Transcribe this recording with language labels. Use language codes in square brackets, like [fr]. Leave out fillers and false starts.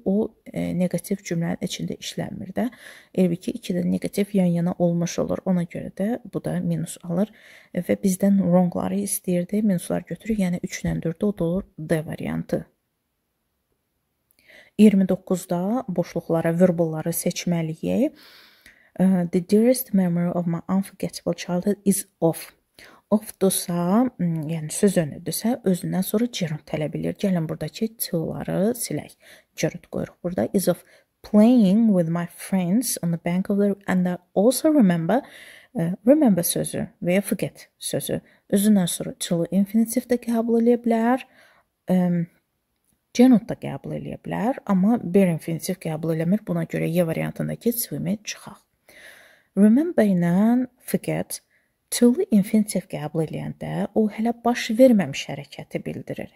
[az] O, negativ cümlənin içində işlənmir də. Elə ki, iki də negativ yan-yana olmuş olur. Ona görə də bu da minus alır. Və bizdən wrongları istəyirdi. Minuslar götürür. Yəni, 3-dən 4-də o da olur D variantı. 29-da boşluqlara, verbalları seçməliyik. [en] The dearest memory of my unforgettable childhood is of. [az] Of dosa, yəni söz önüdürsə, özündən sonra gerund tələb edir. Gəlin buradakı t-ları silək. Gerund qoyuruq burada. [en] Is of playing with my friends on the bank of the... And I also remember, remember [az] sözü və ya forget sözü. Özündən sonra t-lu infinitivdə qəbul edə bilər. Gerund da qəbul edə bilər. Amma bir infinitiv qəbul edəmir. Buna görə Y variantındakı t-vimi çıxaq. Remember ilə forget... Tüllü infinitiv qəbul edəndə o hələ baş verməmiş hərəkəti bildirir.